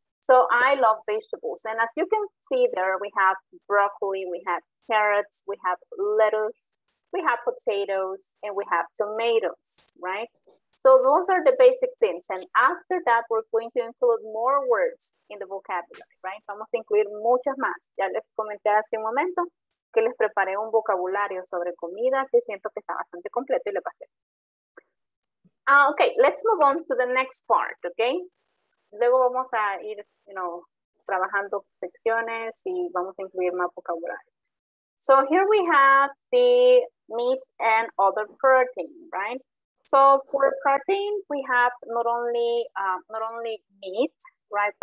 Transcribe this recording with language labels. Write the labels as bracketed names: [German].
[English] So I love vegetables. And as you can see there, we have broccoli, we have carrots, we have lettuce, we have potatoes, and we have tomatoes, right? So those are the basic things. And after that, we're going to include more words in the vocabulary, right? [Spanish] Vamos a incluir muchas más. Ya les comenté hace un momento que les preparé un vocabulario sobre comida que siento que está bastante completo y le pasé. [English] Okay, let's move on to the next part, okay? [Spanish] Luego vamos a ir, [English] you know, [Spanish] trabajando secciones y vamos a incluir más vocabulario. [English] So here we have the meat and other protein, right? So for protein, we have not only meat, right?